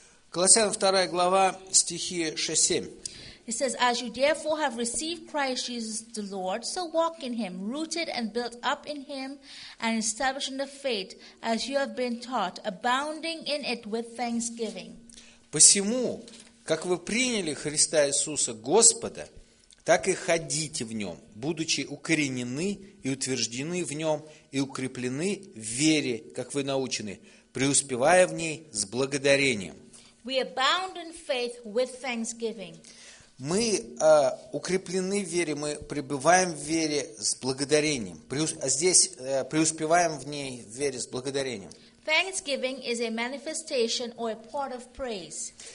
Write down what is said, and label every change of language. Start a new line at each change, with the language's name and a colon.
Russian: Колоссянам 2 глава, стихи 6-7.
English: It says, as you therefore have received Christ Jesus the Lord, so walk in Him, rooted and built up in Him, and established in the faith, as you have been taught, abounding in it with thanksgiving.
Russian: Посему, как вы приняли Христа Иисуса Господа, так и ходите в Нем, будучи укоренены и утверждены в Нем, и укреплены в вере, как вы научены, преуспевая в ней с благодарением.
English: We abound in faith with thanksgiving.
Russian: Мы укреплены в вере, мы пребываем в вере с благодарением. Преуспеваем в ней в вере с благодарением.
English: Thanksgiving is a manifestation or a part of praise.